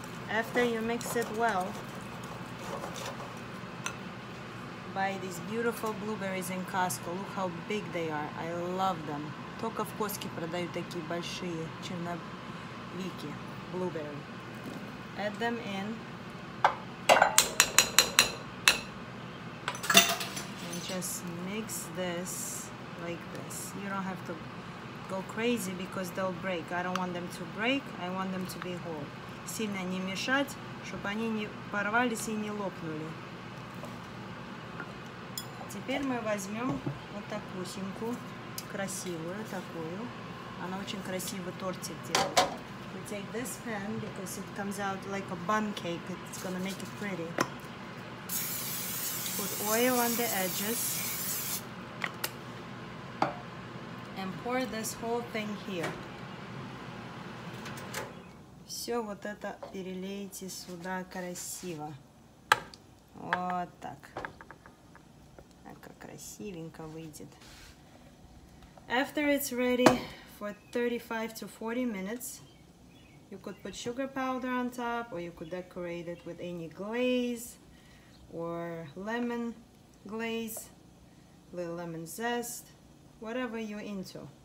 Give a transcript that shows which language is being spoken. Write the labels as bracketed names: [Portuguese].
[English] After you mix it well, buy these beautiful blueberries in Costco. Look how big they are. I love them. [Russian] Только в Коске продают такие большие черновики, blueberry. [English] Add them in. And just mix this like this. You don't have to go crazy because they'll break. I don't want them to break. I want them to be whole. [Russian] Сильно не мешать, чтобы они не порвались и не лопнули. Теперь мы возьмем вот такую красивую такую. Она очень красивый тортик делает. [English] We take this pan because it comes out like a bun cake. It's gonna make it pretty. Put oil on the edges and pour this whole thing here. [Russian] Все вот это перелейте сюда красиво. Вот так. Так как красивенько выйдет. [English] After it's ready for 35 to 40 minutes, you could put sugar powder on top, or you could decorate it with any glaze or lemon glaze, little lemon zest, whatever you're into.